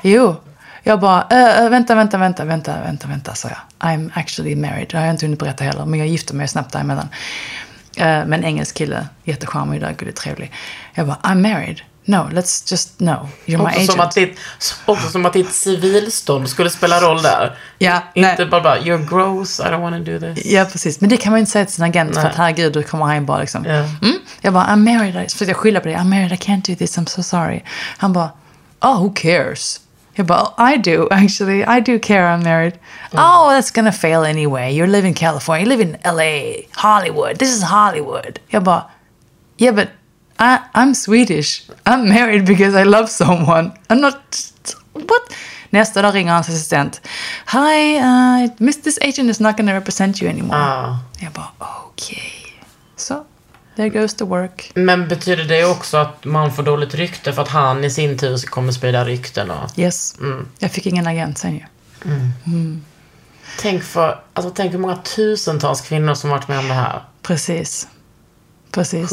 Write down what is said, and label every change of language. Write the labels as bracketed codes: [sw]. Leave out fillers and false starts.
[sv] Jo, jag bara, vänta, sa jag. [en] I'm actually married. [sv] Det har jag inte hunnit berätta heller, men jag gifte mig snabbt däremellan. Men engelsk kille, jättecharmig där, gud, trevlig. Jag bara, [en] I'm married. No, let's just, no, you're [sv] också [en] my agent. [sv] Som att ditt, också som att ditt civilstånd skulle spela roll där. Ja, inte nej. Bara, [en] you're gross, I don't want to do this. [sv] Ja, precis. Men det kan man ju inte säga till sin agent, nej. För att herregud, du kommer hem bara liksom. [en] Yeah. Mm? [sv] Jag bara, [en] I'm married, [sv] för jag skyller på dig. [en] I'm married, I can't do this, I'm so sorry. [sv] Han bara, [en] oh, who cares? [sv] Jag bara, [en] oh, I do, actually. I do care I'm married. Mm. Oh, that's gonna fail anyway. You live in California. You live in LA. Hollywood. This is Hollywood. [sv] Jag bara, [en] yeah, but I'm Swedish. I'm married because I love someone. I'm not... What? [sv] Nästa dag ringer hans assistent. [en] Hi, this agent is not gonna represent you anymore. [sv] Jag bara, [en] okay. So, there goes the work. [sv] Men betyder det också att man får dåligt rykte för att han i sin tur kommer sprida rykten? Och... [en] Yes. Mm. [sv] Jag fick ingen agent sen ju. Mm. Mm. Tänk hur många tusentals kvinnor som varit med om det här. Precis. Precis.